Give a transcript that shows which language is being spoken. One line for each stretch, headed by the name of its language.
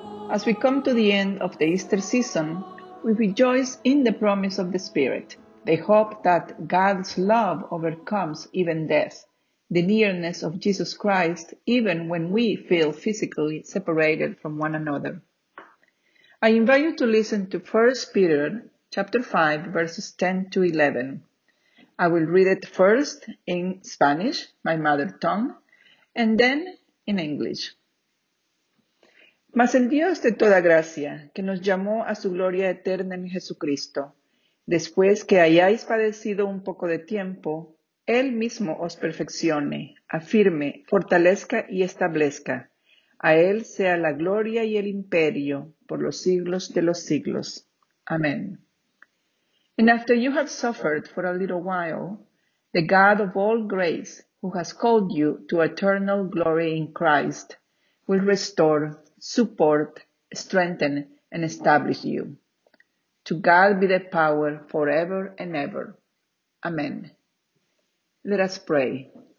English: As we come to the end of the Easter season, we rejoice in the promise of the Spirit, the hope that God's love overcomes even death, the nearness of Jesus Christ, even when we feel physically separated from one another. I invite you to listen to 1 Peter chapter 5, verses 10 to 11. I will read it first in Spanish, my mother tongue, and then in English.
Spanish: Mas el Dios de toda gracia, que nos llamó a su gloria eterna en Jesucristo, después que hayáis padecido un poco de tiempo, Él mismo os perfeccione, afirme, fortalezca y establezca. A Él sea la gloria y el imperio por los siglos de los siglos. Amén.
English: And after you have suffered for a little while, the God of all grace, who has called you to eternal glory in Christ, will restore, support, strengthen, and establish you. To God be the power forever and ever. Amen. Let us pray.